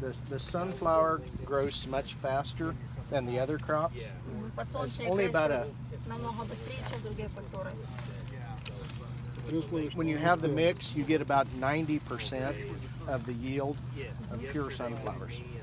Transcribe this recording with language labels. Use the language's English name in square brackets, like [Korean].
[English] The sunflower grows much faster than the other crops. [Russian] Подсолнечник растет намного быстрее, чем другие культуры. [English] When you have the mix, you get about 90% of the yield of pure sunflowers.